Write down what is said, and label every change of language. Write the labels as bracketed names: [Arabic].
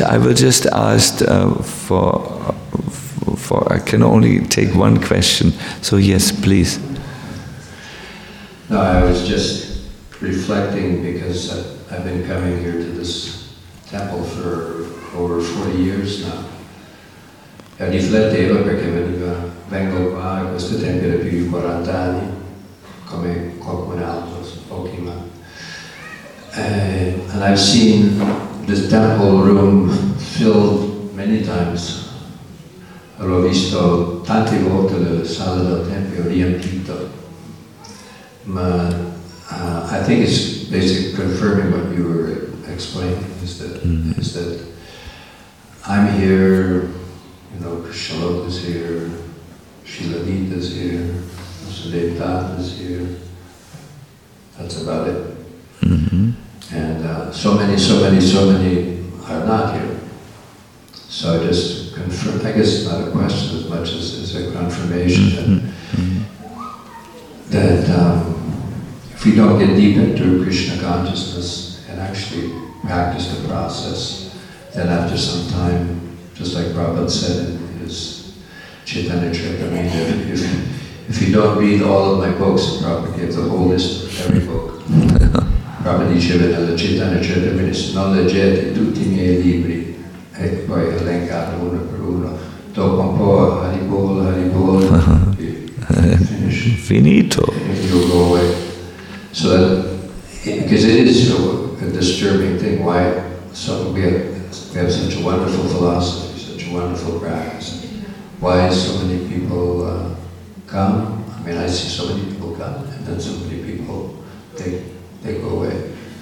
[English] I will just ask for. I can only take one question. So yes, please. No, I was just reflecting because I've been coming here to this temple for over 40 years now. [Italian] E riflettevo perché veniva, vengo qua in questo tempio da più di 40 anni, come qualcun altro, so pochi, ma... [English] And I've seen this temple room filled many times. [Italian] L'ho visto tante volte la sala del tempio riempito. [English] Ma I think it's basically confirming what you were explaining, is that I'm here, you know, Shalok is here, Srila Deeta is here, Sudev Dutt is here, that's about it. Mm-hmm. And so many are not here. So I just confirm, I guess it's not a question as much as it's a confirmation that if we don't get deep into Krishna consciousness and actually practice the process, then after some time, just like Prabhupada said in his Chaitanya Charitamrita, if you don't read all of my books, Prabhupada gave the whole list of every book. [Italian] Prabhupada diceva nella Chaitanya Charitamrita, se non leggete tutti i miei libri, e poi elencato uno per uno, dopo un po', Haribol, Haribol, finito. [English] You go away. So that, because it is so a disturbing thing, why we have such a wonderful philosophy, such a wonderful practice, why so many people come, I mean, I see so many people come, and then so many people, they go away.